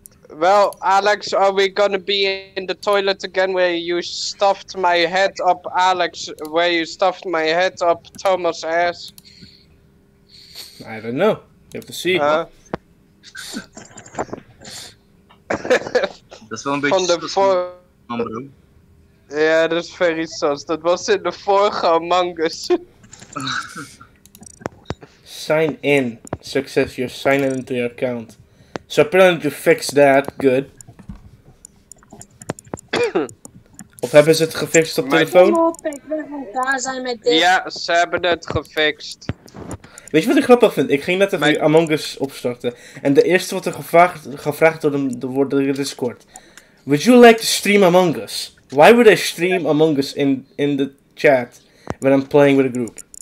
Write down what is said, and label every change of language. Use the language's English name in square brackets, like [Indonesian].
[English] Well, Alex, are we gonna be in the toilet again where you stuffed my head up, Alex? Where you stuffed my head up, Thomas' ass? I don't know. You have to see. [Dutch] Dat is wel een beetje van de vorige. Ja, dat is [English] very sus. [Dutch] Dat was in de vorige Among Us. [English] Sign in. Success, you're signing into your account. So apparently to fix that, good. [Dutch] Of hebben ze het gefixt op telefoon? Ja, ze hebben het gefixt. Weet je wat ik grappig vind? Ik ging net even Among Us opstarten. En de eerste wat er gevraagd wordt door de Discord. [English] Would you like to stream Among Us? Why would I stream Among Us in the chat when I'm playing with a group?